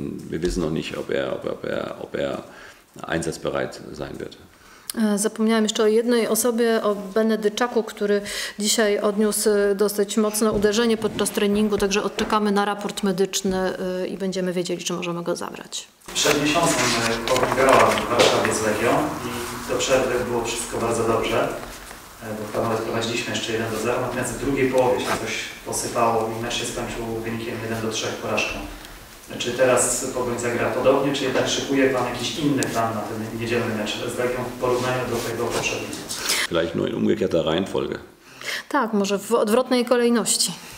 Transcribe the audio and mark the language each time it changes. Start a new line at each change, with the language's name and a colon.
German: Wir wissen noch nicht, ob er einsatzbereit sein wird.
Polish: Zapomniałam jeszcze o jednej osobie, o Benedyczaku, który dzisiaj odniósł dosyć mocne uderzenie podczas treningu, także odczekamy na raport medyczny i będziemy wiedzieli, czy możemy go zabrać. Przed miesiącem pobierałam w Warszawie z Legią i do przerwy było wszystko bardzo dobrze, bo tam nawet prowadziliśmy jeszcze 1-0, natomiast w drugiej połowie się coś posypało i mecz się skończył wynikiem 1-3 porażką. Czy teraz Pogoń zagra podobnie, czy jednak szykuje pan jakiś inny plan na ten niedzielny mecz z Legią w porównaniu do tego poprzedniego?
German: Gleich nur in umgekehrter Reihenfolge.
Polish: Tak, może w odwrotnej kolejności.